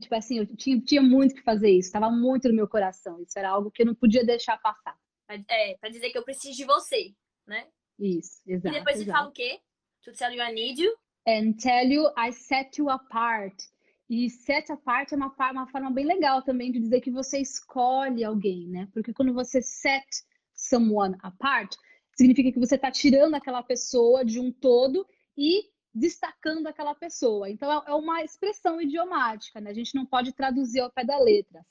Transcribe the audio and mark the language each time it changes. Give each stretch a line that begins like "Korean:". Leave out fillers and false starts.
Portuguese: Tipo assim, eu tinha muito que fazer isso. Tava muito no meu coração. Isso era algo que eu não podia deixar passar. Pra dizer que eu preciso de você, né? Isso, exato. E depois exato. Você fala o quê?
English: To tell you I need you. And tell you I set you apart.
Portuguese: E set apart é uma forma bem legal também de dizer que você escolhe alguém, né? Porque quando você
English: set someone apart...
Portuguese: Significa que você está tirando aquela pessoa de um todo e destacando aquela pessoa. Então, é uma expressão idiomática, né? A gente não pode traduzir ao pé da letra.